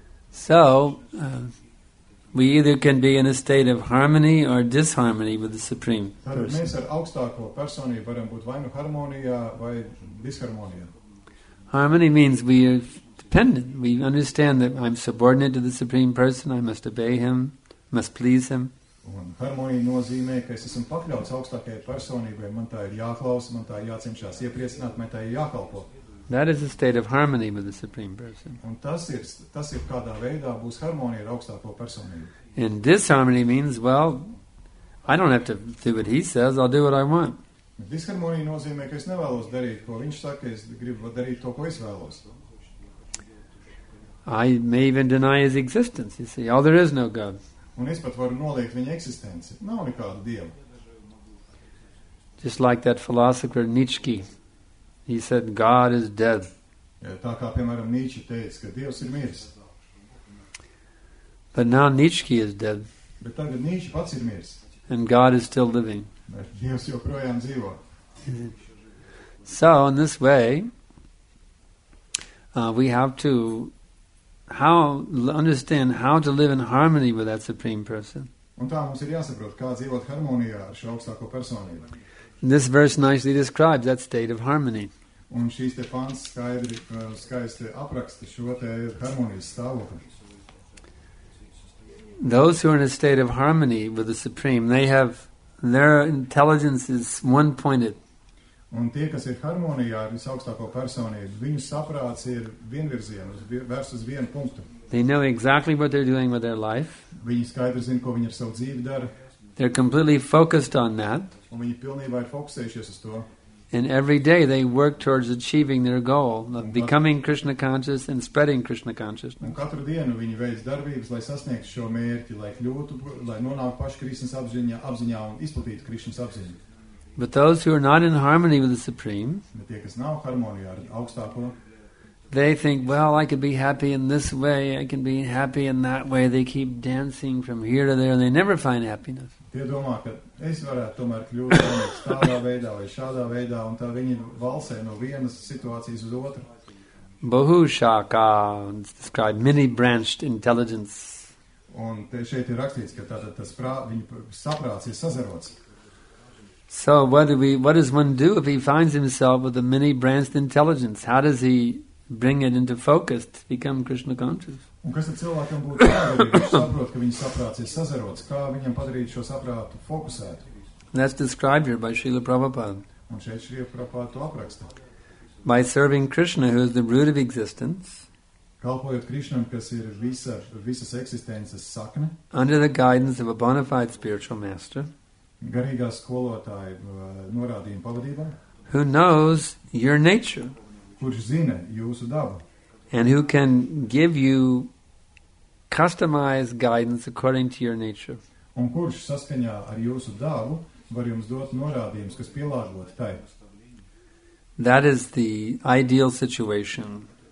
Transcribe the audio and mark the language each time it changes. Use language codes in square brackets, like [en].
[en] So, we either can be in a state of harmony or disharmony with the Supreme Person. Harmony means we are dependent. We understand that I'm subordinate to the Supreme Person, I must obey Him, must please Him. [lv] Un harmonija nozīmē, ka es esmu pakļauts augstākajai personībai, man tā ir jāklausa, man tā ir jācenšas iepriecināt, man tā ir jākalpo. [en] That is a state of harmony with the Supreme Person. [lv] Un tas ir kādā veidā būs harmonija ar augstāko personību. [en] And disharmony means, well, I don't have to do what he says, I'll do what I want. [lv] Disharmonija nozīmē, ka es nevēlos darīt, ko viņš saka, es gribu darīt to, ko es vēlos. [en] I may even deny his existence, you see. Oh, there is no God. [lv] Un es pat varu noliegt viņa eksistenci. Nav nekādu dievu. [en] Just like that philosopher Nietzsche. He said, God is dead. [lv] Ja, tā kā, piemēram, Nietzsche teica, ka Dievs ir miris. [en] But now Nietzsche is dead. [lv] Bet tagad Nietzsche pats ir miris. [en] And God is still living. [lv] Bet Dievs joprojām dzīvo. [en] So, in this way, we have to understand how to live in harmony with that Supreme Person. [lv] Un tā mums ir jāsaprot, kā dzīvot harmonijā ar šo augstāko personību. [en] This verse nicely describes that state of harmony. [lv] Un šīs te pants skaisti apraksta šo te harmonijas stāvokli. [en] Those who are in a state of harmony with the Supreme, they have, their intelligence is one-pointed. [lv] Un tie, kas ir harmonijā ar visu augstāko personību, viņu saprāts ir vienvirziens, vērs uz vienu punktu. [en] They know exactly what they're doing with their life. [lv] Viņi skaidri zina, ko viņi ar savu dzīvi dara. [en] They're completely focused on that. [lv] Un viņi pilnībā ir fokusējušies uz to. [en] And every day they work towards achieving their goal of becoming Krishna conscious and spreading Krishna consciousness. [lv] Un katru dienu viņi veic darbības, lai sasniegtu šo mērķi, lai nonāktu pašu Krishnas apziņā un izplatītu Krishnas apziņu. [en] But those who are not in harmony with the Supreme, [lv] bet tie, kas nav harmonijā ar augstāko, [en] they think, well, I could be happy in this way, I can be happy in that way. They keep dancing from here to there and they never find happiness. [lv] Tie domā, ka es varētu tomēr kļūt laimīgs tādā veidā vai šādā veidā, un tā viņi valsē no vienas situācijas uz otru. [en] Bahushaka, described many-branched intelligence. [lv] Un šeit ir rakstīts, ka tātad tas viņu saprāts ir sazarots. [en] So what does one do if he finds himself with a many-branched intelligence? How does he bring it into focus to become Krishna conscious? [lv] Un kas tad cilvēkam būtu jādara, ja viņš saprot, ka viņa saprāts ir sazarots? Kā viņam padarīt šo saprātu fokusēt? [en] That's described here by Srila Prabhupada. [lv] Un šeit Srila Prabhupada to apraksta. [en] By serving Krishna, who is the root of existence, [lv] kalpojot Krishnam, kas ir visas eksistences sakne, [en] under the guidance of a bona fide spiritual master, [lv] garīgā skolotāja norādījuma pavadībā, [en] who knows your nature, [lv] kurš zina jūsu dabu, [en] and who can give you customized guidance according to your nature, [lv] un kurš saskaņā ar jūsu dabu var jums dot norādījumus, kas pielāgoti tai. [en] That is the ideal situation.